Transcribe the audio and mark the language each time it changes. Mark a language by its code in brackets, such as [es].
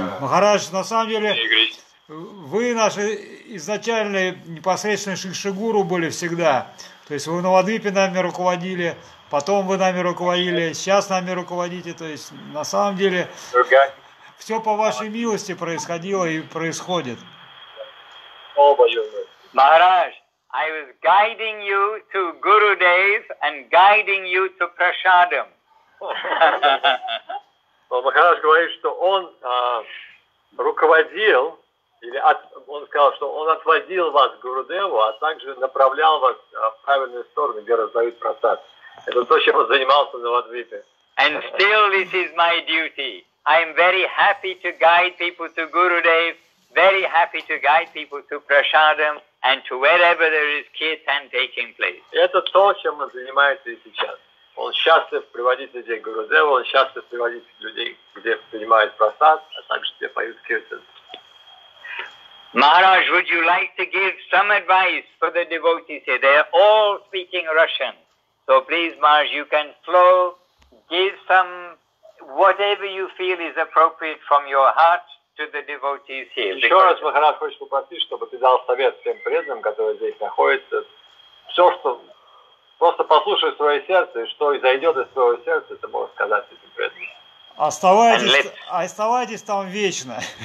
[ru] Махарадж, на самом деле, вы наши изначальные непосредственные Шикшигуру были всегда. То есть вы на Вадвипе нами руководили. Потом вы нами руководили, сейчас нами руководите. То есть, на самом деле, все по вашей милости происходило и происходит. Махарадж, [en] I was guiding you to Guru Dev and guiding you to Prashadam. [ru] Махарадж говорит, что он руководил, или он сказал, что он отводил вас к Гурудеву, а также направлял вас в правильную сторону, где раздают просад. Это то, чем он занимался на Вадвипе. [en] And still this is my duty. I am very happy to guide people to Gurudev, very happy to guide people to Prasadam and to wherever there is kirtan taking place. [ru] Это то, чем он занимается и сейчас. Он счастлив приводить людей к Гурудеву, он счастлив приводить людей, где принимают просад, а также где поют киртан. [en] Maharaj, would you like to give some advice for the devotees here? They are all speaking Russian. So please, Maharaj, you can flow, give some, whatever you feel is appropriate from your heart to the devotees here. [ru] Еще раз Махарадж хочет попросить, чтобы ты дал совет всем преданным, которые здесь находятся. Все, что... Просто послушай свое сердце, и что изойдет из твоего сердца, ты можешь сказать этим преданным. Оставайтесь там вечно.